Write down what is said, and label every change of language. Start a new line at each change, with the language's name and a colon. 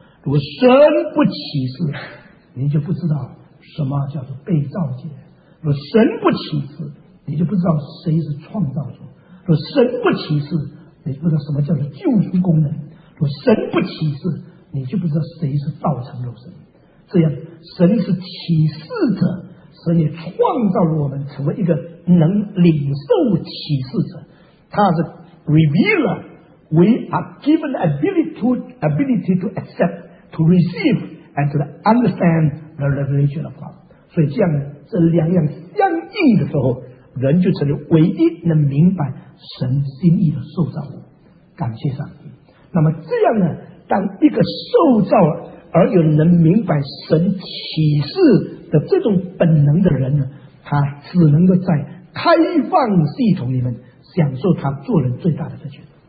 Chinese: 如果神不启示，你就不知道什么叫做被造界；如果神不启示，你就不知道谁是创造主；如果神不启示，你就不知道什么叫做救赎功能；如果神不启示，你就不知道谁是道成肉身。这样神是启示者，神也创造了我们成为一个能领受启示者，他是 revealer。
English: We are given ability to accept, to receive, and to understand the revelation of God.
Chinese: 所以这样这两样相应的时候，人就成为唯一能明白神心意的受造物。感谢上帝。那么这样呢，当一个受造而有能明白神启示的这种本能的人呢，他只能够在开放系统里面享受他做人最大的特权。